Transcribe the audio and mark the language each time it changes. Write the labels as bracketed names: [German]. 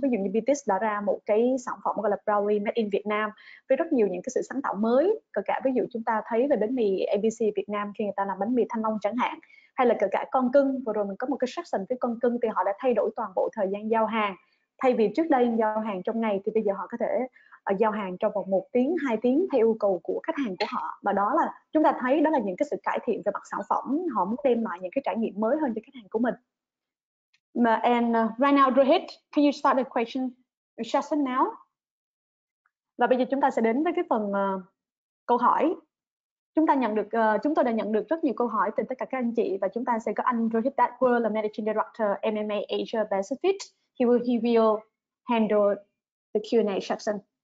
[Vietnamese] Ví dụ như Vitis đã ra một cái sản phẩm gọi là Brownie Made in Vietnam với rất nhiều những cái sự sáng tạo mới, kể cả ví dụ chúng ta thấy về bánh mì ABC Việt Nam khi người ta làm bánh mì thanh long chẳng hạn, hay là kể cả con cưng, vừa rồi mình có một cái section với con cưng thì họ đã thay đổi toàn bộ thời gian giao hàng. Thay vì trước đây giao hàng trong ngày thì bây giờ họ có thể giao hàng trong vòng 1 tiếng, 2 tiếng theo yêu cầu của khách hàng của họ. Và đó là chúng ta thấy đó là những cái sự cải thiện về mặt sản phẩm, họ muốn đem lại những cái trải nghiệm mới hơn cho khách hàng của mình. [English] And right now, Rohit, can you start the question session now? [Vietnamese] Và bây giờ chúng ta sẽ đến với cái phần câu hỏi. Chúng tôi đã nhận được rất nhiều câu hỏi từ tất cả các anh chị, và chúng ta sẽ có anh Rohit Dadwal, là Managing Director MMA Asia Pacific. [English] He will handle the Q&A section.